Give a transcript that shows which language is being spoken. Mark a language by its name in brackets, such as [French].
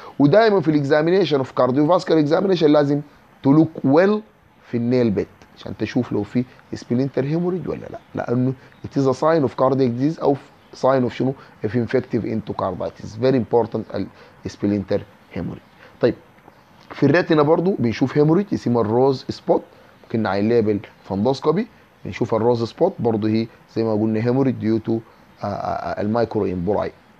[Arabic] ودائما في الاكزامينشن اوف كارديوفاسكال اكزامينشن لازم [English] to look well [Arabic] في النيل بيت عشان تشوف لو في splinter hemorrhage ولا لا. [English] لانه it is a sign of cardiac disease او sign of شنو؟ of infective endocarditis. Very important splinter hemorrhage. [Arabic] طيب في الريتنا برضو بنشوف hemorrhage اسمها الروز سبوت. ممكن نعمل ليبل فندوسكوبي بنشوف الروز سبوت برضو هي زي ما قلنا hemorrhage due to المايكرو امبولاي.